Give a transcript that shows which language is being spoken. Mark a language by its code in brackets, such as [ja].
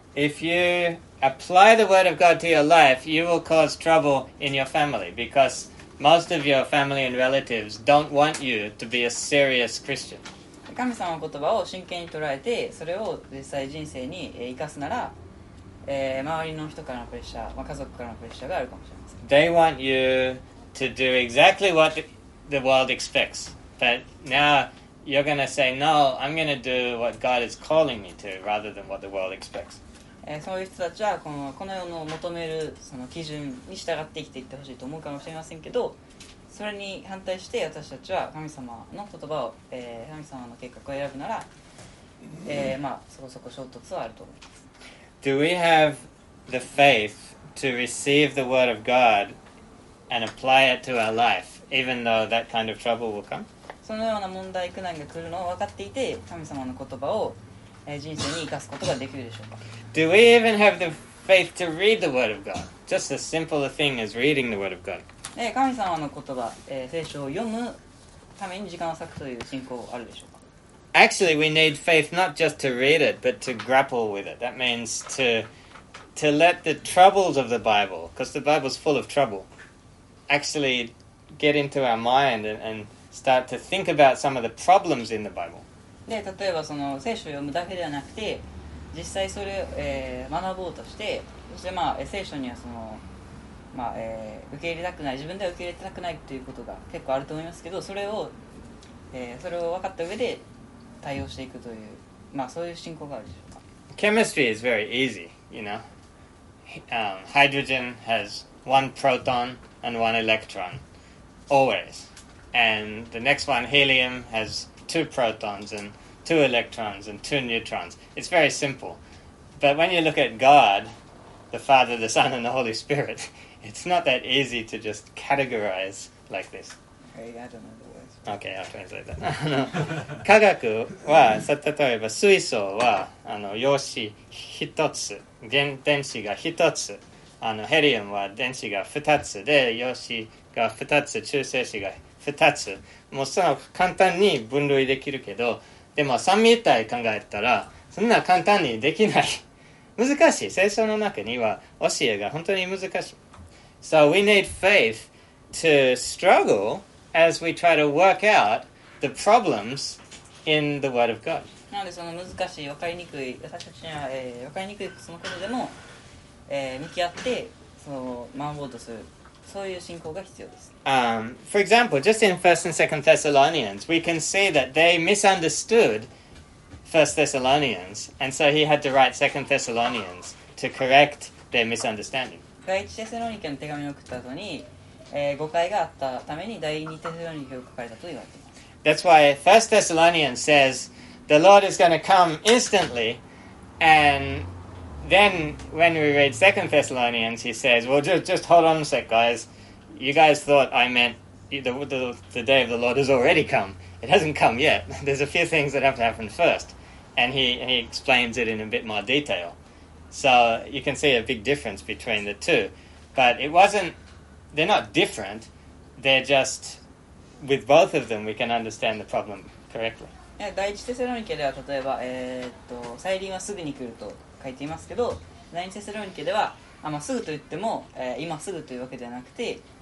[en] If you apply the word of God to your life, you will cause trouble in your family because most of your family and relatives don't want you to be a serious Christian. [ja] 神様の言葉を真剣に捉えて、それを実際人生に生かすなら、周りの人からのプレッシャー、まあ、家族からのプレッシャーがあるかもしれません。 [en] They want you to do exactly what the world expects, but now you're going to say, no, I'm going to do what God is calling me to rather than what the world expects. [ja] そういう人たちはこの世の求めるその基準に従って生きていってほしいと思うかもしれませんけど、それに反対して私たちは神様の言葉を、神様の計画を選ぶなら、まあ、そこそこ衝突はあると思います。 [en] Do we have the faith to receive the word of God and apply it to our life, even though that kind of trouble will come? [ja] そのような問題、苦難が来るのを分かっていて、神様の言葉を、人生に生かすことができるでしょうか? [en] Do we even have the faith to read the word of God? Just as simple a thing as reading the word of God. [ja] 神様の言葉、聖書を読むために時間を割くという信仰あるでしょうか? [en] Actually, we need faith not just to read it, but to grapple with it. That means to let the troubles of the Bible, because the Bible is full of trouble, actually get into our mind and start to think about some of the problems in the Bible. [ja] で、例えばその聖書を読むだけではなくて、実際それを、学ぼうとして、そしてまあ聖書にはその、まあ受け入れたくない、自分では受け入れたくないということが結構あると思いますけど、それを分かった上で対応していくという、まあそういう進行があるでしょうか。 [en] Chemistry is very easy, you know. Hydrogen has one proton and one electron, always. And the next one, helium, has two protons and two electrons and two neutrons. It's very simple. But when you look at God, the Father, the Son, and the Holy Spirit, it's not that easy to just categorize like this. Okay, I don't know the words. Okay, I'll translate that. [ja] 科学は、例えば水素は陽子一つ、電子が一つ、ヘリウムは電子が二つで、陽子が二つ、中性子が2つ、もうその簡単に分類できるけど、でも三位一体考えたらそんな簡単にできない。難しい。聖書の中には教えが本当に難しい。 [en] So we need faith to struggle as we try to work out the problems in the word of God. [ja] なのでその難しい、分かりにくい、私たちには、分かりにくいそのことでも、向き合ってその学ぼうとする、そういう信仰が必要です。 [en] For example, just in 1st and 2nd Thessalonians, we can see that they misunderstood 1st Thessalonians, and so he had to write 2nd Thessalonians to correct their misunderstanding. [ja] 第1テサロニケの手紙を送った後に、誤解があったために第2テサロニケを書かれたと言われています。 [en] That's why 1st Thessalonians says, the Lord is going to come instantly, and then when we read 2nd Thessalonians, he says, well, just hold on a sec, guys. You guys thought I meant the day of the Lord has already come. It hasn't come yet. There's a few things that have to happen first. And he explains it in a bit more detail. So you can see a big difference between the two. But it wasn't... They're not different. They're just... With both of them, we can understand the problem correctly. [ja] 第1テサロニケでは、例えば、再臨はすぐに来ると書いていますけど、第2テサロニケでは、あ、まあ、すぐと言っても、今すぐというわけではなくて、